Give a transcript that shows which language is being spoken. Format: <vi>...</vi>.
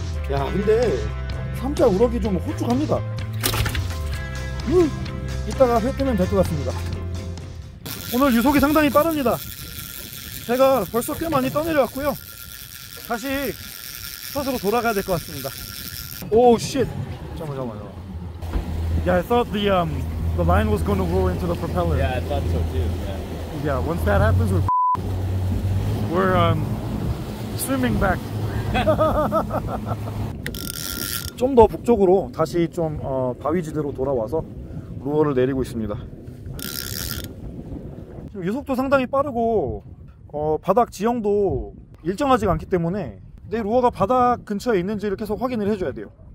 <ko>야, 근데 3자 우럭이 좀 호쭉합니다. 이따가 회 뜨면 될 것 같습니다. 오늘 유속이 상당히 빠릅니다. 제가 벌써 꽤 많이 떠내려왔고요. 다시 컷으로 돌아가야 될 것 같습니다. 오, 쉣. 잠깐만요.</ko> <en>Yeah, I thought the line was going to go into the propeller. Yeah, I thought so too. Yeah. Yeah, once that happens, we're swimming back.</en> <ko>좀 더 북쪽으로 다시 좀 바위지대로 돌아와서 루어를 내리고 있습니다. 지금 유속도 상당히 빠르고 바닥 지형도 일정하지 않기 때문에 내 루어가 바닥 근처에 있는지를 계속 확인을 해줘야 돼요.</ko>